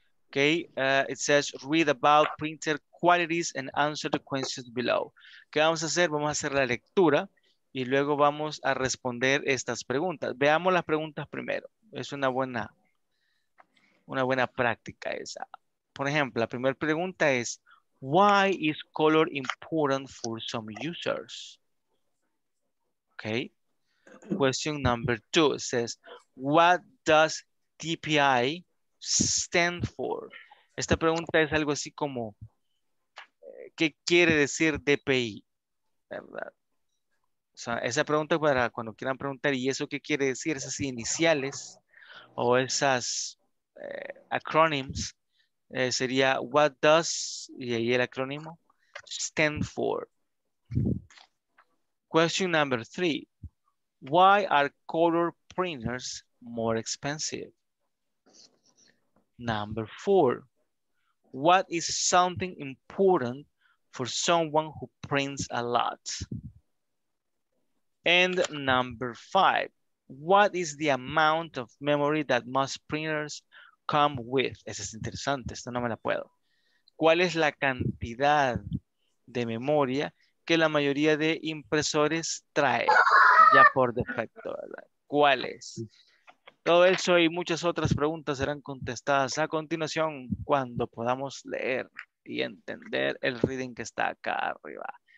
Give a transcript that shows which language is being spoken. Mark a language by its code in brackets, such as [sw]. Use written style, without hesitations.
[en] Okay, it says, read about printer qualities and answer the questions below. [es] ¿Qué vamos a hacer? Vamos a hacer la lectura y luego vamos a responder estas preguntas. Veamos las preguntas primero. Es una buena práctica esa. Por ejemplo, la primera pregunta es, [en] why is color important for some users? [es] Okay. [en] Question number two says, what does DPI stand for? [es] Esta pregunta es algo así como, ¿qué quiere decir DPI? ¿Verdad? O sea, esa pregunta es para cuando quieran preguntar, ¿y eso qué quiere decir? Esas iniciales o esas acronyms. Sería, [en] what does, [es] y ahí el acrónimo, [en] stand for. Question number three. Why are color printers more expensive? Number four. What is something important for someone who prints a lot? And number five. What is the amount of memory that most printers come with? [es] Esa es interesante, esta no me la puedo. ¿Cuál es la cantidad de memoria que la mayoría de impresores trae ya por defecto, ¿verdad? ¿Cuál es? Todo eso y muchas otras preguntas serán contestadas a continuación cuando podamos leer y entender el reading que está acá arriba.